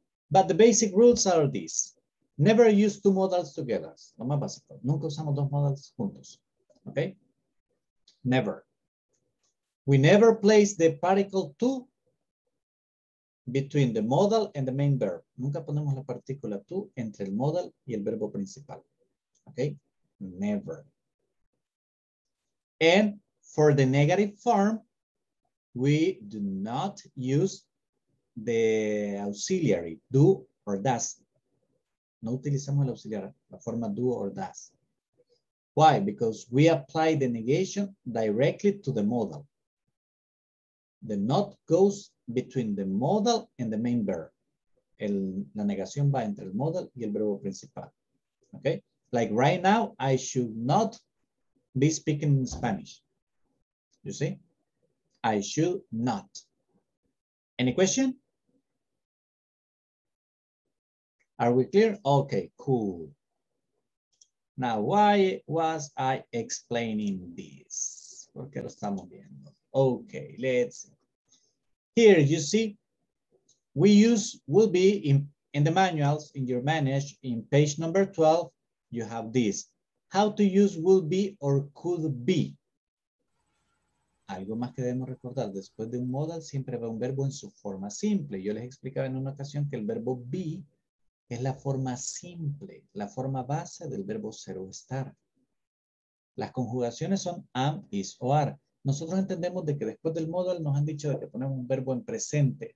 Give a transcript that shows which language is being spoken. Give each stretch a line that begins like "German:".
English: But the basic rules are these. Never use two modals together.
Spanish: Lo más básico. Nunca usamos dos modals juntos.
English: Okay? Never. We never place the particle to between the modal and the main verb.
Spanish: Nunca ponemos la partícula to entre el modal y el verbo principal.
English: Okay? Never. And for the negative form, we do not use the auxiliary, do or does.
Spanish: No utilizamos el auxiliar, la forma
English: do or does. Why? Because we apply the negation directly to the modal. The not goes between the modal and the main verb.
Spanish: La negación va entre el modal y el verbo principal.
English: Okay? Like right now, I should not be speaking Spanish. You see? I should not. Any question? Are we clear? Okay, cool. Now, why was I explaining this?
Spanish: ¿Por qué lo estamos viendo?
English: Okay, let's see. Here, you see, we use will be in the manuals, in your manage, in page number 12, you have this. How to use will be or could be.
Spanish: Algo más que debemos recordar, después de un modal siempre va un verbo en su forma simple. Yo les explicaba en una ocasión que el verbo be es la forma simple, la forma base del verbo ser o estar. Las conjugaciones son am, is o are. Nosotros entendemos de que después del modal nos han dicho de que ponemos un verbo en presente.